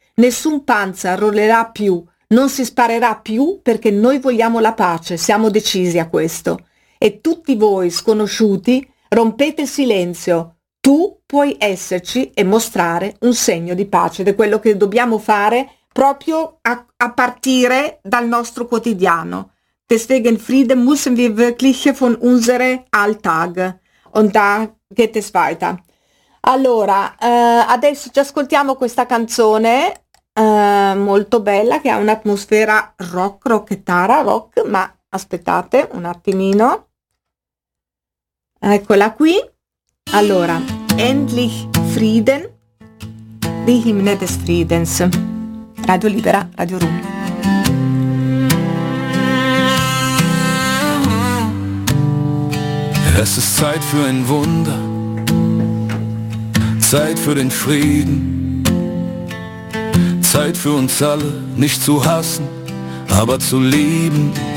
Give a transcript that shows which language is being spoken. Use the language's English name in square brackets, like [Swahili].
[Italian] Nessun panzer rollerà più, non si sparerà più, perché noi vogliamo la pace, siamo decisi a questo. E tutti voi sconosciuti, rompete il silenzio, tu puoi esserci e mostrare un segno di pace. Ed è quello che dobbiamo fare proprio a partire dal nostro quotidiano. [German] Deswegen Frieden müssen wir wirklich von unsere Alltag. Und da geht es weiter. [Italian] Allora, adesso ci ascoltiamo questa canzone molto bella, che ha un'atmosfera rock, rockettara, rock, ma aspettate un attimino. Eccola qui. [German] Allora, Endlich Frieden, die Hymne des Friedens. Radio Libera, Radio Rum. Es ist Zeit für ein Wunder, Zeit für den Frieden, Zeit für uns alle, nicht zu hassen, aber zu lieben.